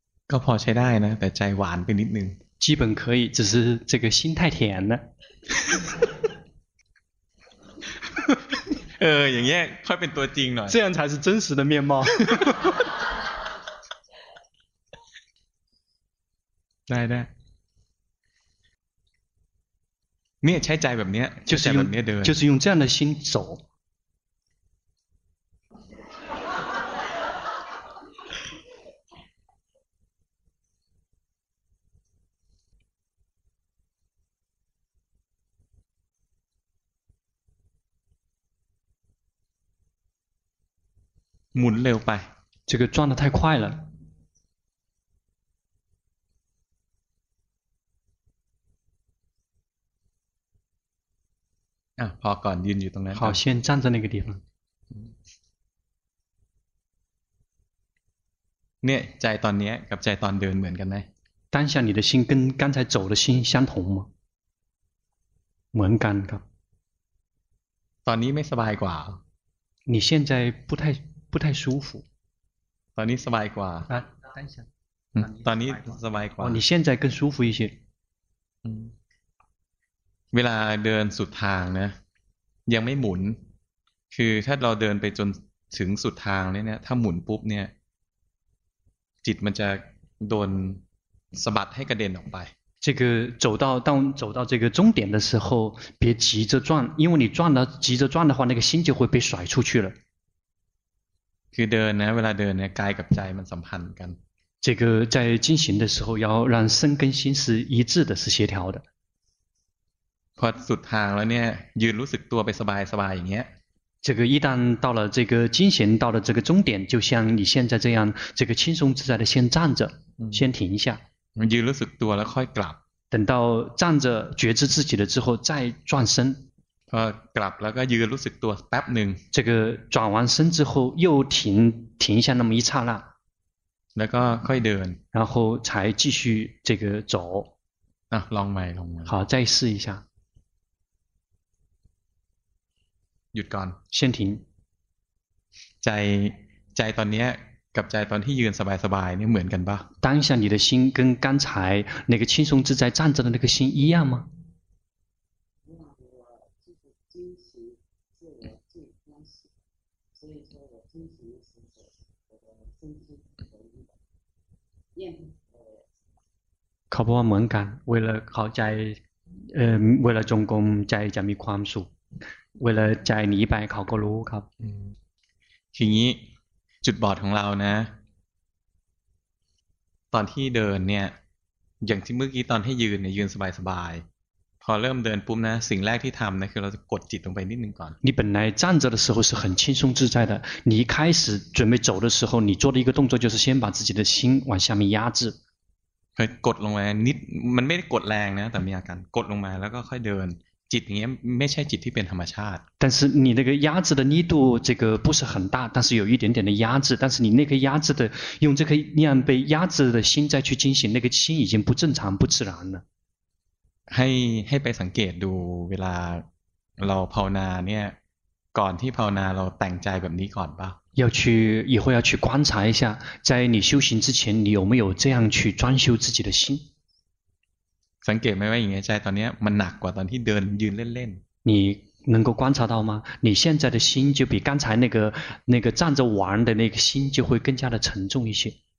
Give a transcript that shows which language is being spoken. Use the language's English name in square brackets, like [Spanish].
[Thai] ก็พอใช้ได้นะแต่ใจหวานไปนิดนึง [Chinese] 基本可以只是这个心太甜了 [Thai] อย่างเงี้ยค่อยเป็นตัวจริงหน่อย [Chinese] 这样才是真实的面貌 [Thai] ได้เนี่ยใช้ใจแบบเนี้ยใช้แบบเนี้ยเดิน [Chinese] 就是用这样的心走 [Thai] หมุนเร็วไป [Chinese] 这个转得太快了 [Thai] อ่ะพอก่อนยืนอยู่ตรงนั้น [Chinese] 好先站在那个地方 [Thai] เนี่ยใจตอนนี้กับใจตอนเดินเหมือนกันไหม [Chinese] 当下你的心跟刚才走的心相同吗 [Thai] เหมือนกันครับ ตอนนี้ไม่สบายกว่า [Chinese] 你现在不太舒服 [Thai] ตอนนี้สบายกว่า [Chinese] อ่ะ当下 [Thai] ตอนนี้สบายกว่า [Chinese] 你现在更舒服一些 [Thai] เวลาเดินสุดทางนะยังไม่หมุนคือถ้าเราเดินไปจนถึงสุดทางเนี่ยถ้าหมุนปุ๊บเนี่ยจิตมันจะโดนสะบัดให้กระเด็นออกไป [Chinese] 这个走到这个终点的时候别急着转因为你转了急着转的话那个心就会被甩出去了 [Thai] คือเดินนะเวลาเดินเนี่ยกายกับใจมันสัมพันธ์กัน [Chinese] 这个在进行的时候要让身跟心是一致的是协调的 [Thai] พอสุดทางแล้วเนี่ยยืนรู้สึกตัวไปสบายสบายอย่างเงี้ย [Chinese] 这个一旦到了这个进行到了这个终点就像你现在这样这个轻松自在的先站着先停一下 [Thai] ยืนรู้สึกตัวแล้วค่อยกลับ [Chinese] 等到站着觉知自己了之后再转身 [Thai] กลับแล้วก็ยืนรู้สึกตัวแป๊บหนึ่ง [Chinese] 这个转完身之后又停一下那么一刹那 [Thai] แล้วก็ค่อยเดิน [Chinese] 然后才继续这个走 [Thai] ลองใหม่ลองใหม่ [Chinese] 好再试一下 [Thai] หยุดก่อน [Chinese] 先停 [Thai] ใจตอนนี้กับใจตอนที่ยืนสบายสบายนี่เหมือนกันปะ [Chinese] 当下你的心跟刚才那个轻松自在站着的那个心一样吗 [Thai] เขาบอกว่าเหมือนกันเวลาเข้าใจเวลาจงกรมใจจะมีความสุขเวลาใจหนีไปเขาก็รู้ครับ ทีนี้จุดบอดของเรานะตอนที่เดินเนี่ยอย่างที่เมื่อกี้ตอนให้ยืนเนี่ยยืนสบายสบายพอเริ่มเดินปุ๊บนะสิ่งแรกที่ทำนะคือเราจะกดจิตลงไปนิดนึงก่อน [Chinese] 你本来站着的时候是很轻松自在的你一开始准备走的时候你做的一个动作就是先把自己的心往下面压制 [Thai] กดลงมานิดมันไม่ได้กดแรงนะแต่มีอาการกดลงมาแล้วก็ค่อยเดินจิตอย่างเงี้ยไม่ใช่จิตที่เป็นธรรมชาติ [Chinese] 但是你那个压制的力度这个不是很大但是有一点点的压制但是你那个压制的用这颗那样被压制的心再去进行那个心已经不正常不自然了 [Thai] ให้ไปสังเกตดูเวลาเราภาวนาเนี่ยก่อนที่ภาวนาเราแต่งใจแบบนี้ก่อนป่ะ [Chinese] 要去以后要去观察一下在你修行之前你有没有这样去装修自己的心 [Thai] สังเกตไหมว่าอย่างเงี้ยใจตอนนี้มันหนักกว่าตอนที่เดินยืนเล่น [Chinese] ๆ你能够观察到吗你现在的心就比刚才那个站着玩的那个心就会更加的沉重一些